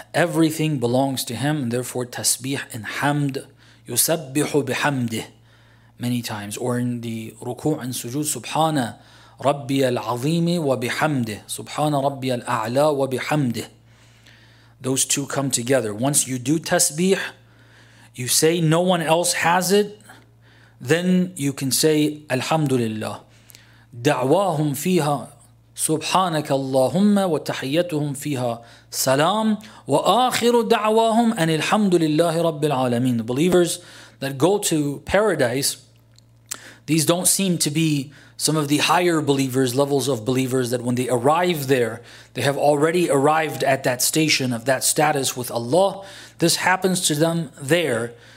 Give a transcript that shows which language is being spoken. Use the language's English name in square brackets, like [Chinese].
[English] Everything belongs to Him, and therefore tasbih and hamd, [Arabic] yusabbihu bihamdih, [English] many times, or in the ruku' and sujood, [Arabic] subhana rabbi al-azimi wa bihamdih, [English] subhana rabbi al-a'la wa bihamdih. Those two come together. Once you do tasbih, you say no one else has it, then you can say alhamdulillah. [Arabic] Da'wahum fiha سبحانك اللهم وتحيتهم فيها سلام وآخر دعواهم أن الحمد لله رب العالمين. [English] Believers that go to paradise, these don't seem to be some of the higher believers, levels of believers, that when they arrive there, they have already arrived at that station of that status with Allah. This happens to them there.